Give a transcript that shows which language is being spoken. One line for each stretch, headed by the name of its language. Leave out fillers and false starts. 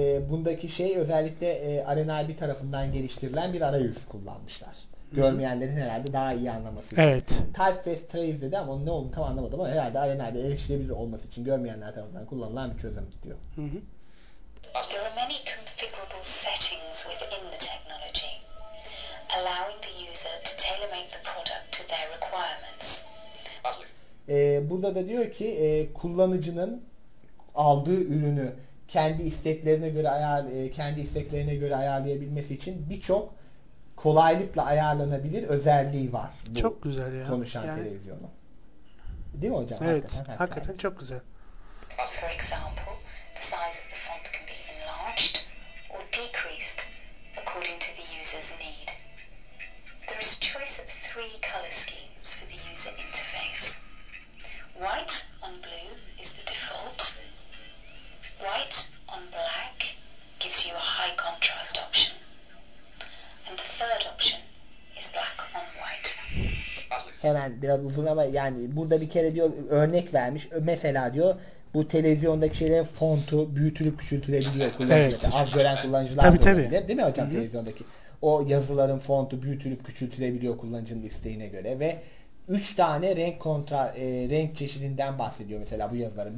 Turkish: Bundaki şey özellikle RNIB tarafından geliştirilen bir arayüz kullanmışlar. Görmeyenlerin herhalde daha iyi anlaması için. Evet. Typeface Trace dedi ama onun ne olduğunu tam anlamadım ama herhalde RNIB'ye erişilebilir olması için görmeyenler tarafından kullanılan bir çözüm diyor. Hı hı.
English: There are many configurable settings within the technology, allowing the user to tailor-make the product to their requirements.
Turkish: Burada da diyor ki kullanıcının aldığı ürünü kendi isteklerine göre ayarlayabilmesi için birçok kolaylıkla ayarlanabilir özelliği var. Bu çok güzel ya. Konuşan yani... televizyonu. Değil mi hocam? Evet. Hakikaten çok güzel.
English: For example, the size of the font can be enlarged or decreased according to the user's need. There is a choice of three color schemes for the user interface. White on blue is the default. White on black gives you a high contrast option. And the third option is black on white.
Turkish: Hemen biraz uzun ama yani burada bir kere diyor örnek vermiş. Mesela diyor bu televizyondaki şeylerin fontu büyütülüp küçültülebiliyor kullanıcılar. Evet. Az gören kullanıcılar tabii, da olabilir. Değil mi hocam televizyondaki? O yazıların fontu büyütülüp küçültülebiliyor kullanıcının isteğine göre ve 3 tane renk renk çeşidinden bahsediyor mesela bu yazıların.